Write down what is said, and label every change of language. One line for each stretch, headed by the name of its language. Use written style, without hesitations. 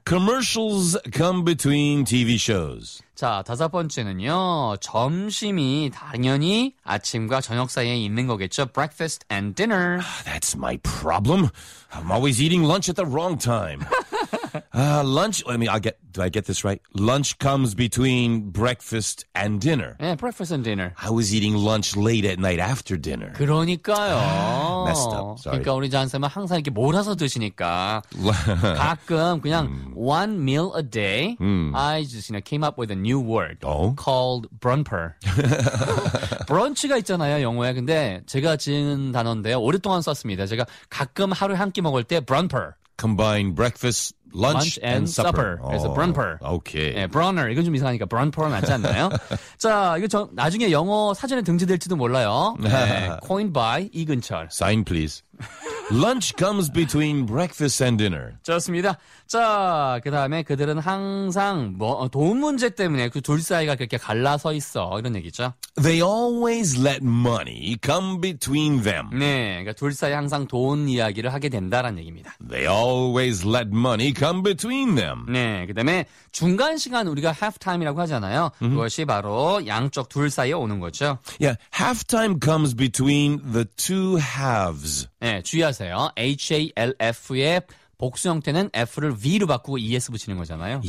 English: Commercials come between TV shows.
Korean: 자, 다섯 번째는요. 점심이 당연히 아침과 저녁 사이에 있는 거겠죠.
English: Breakfast and dinner. That's my problem. I'm always eating lunch at the wrong time. lunch. I mean, do I get this right? Lunch comes between breakfast and dinner. Yeah, breakfast and dinner. I was eating lunch late at night after dinner.
Korean: 그러니까요.
English: messed up. Sorry.
Korean: 그러니까 우리 잔 쌤은 항상 이렇게 몰아서 드시니까 가끔 그냥
English: one meal a day. I just, you know, came up with a new word called brunper.
Korean: 브런치가 있잖아요 영어에. 근데 제가 지은 단어인데요. 오랫동안 썼습니다. 제가 가끔 하루에 한 끼 먹을 때 brunper.
English: Combine breakfast, lunch and supper.
Korean: 그래서 brunper.
English: Okay.
Korean: 네, brunner. 이건 좀 이상하니까 brunper 낫지 않나요? 자, 이거 나중에 영어 사전에 등재될지도 몰라요.
English: 네, coined by 이근철. Sign, please. Lunch comes between breakfast and dinner.
Korean: 좋습니다. 자, 그 다음에 그들은 항상 뭐 돈 문제 때문에 그 둘 사이가 그렇게 갈라서 있어. 이런 얘기죠.
English: They always let money come between them.
Korean: 네, 그러니까 둘 사이 항상 돈 이야기를 하게 된다라는 얘기입니다.
English: They always let money come between them.
Korean: 네, 그 다음에 중간 시간 우리가 halftime이라고 하잖아요. Mm-hmm. 그것이 바로 양쪽 둘 사이에 오는 거죠.
English: Yeah, halftime comes between the two halves.
Korean: 네, 주의하세요. H-A-L-F의 복수 형태는 F를 V로 바꾸고 ES 붙이는 거잖아요.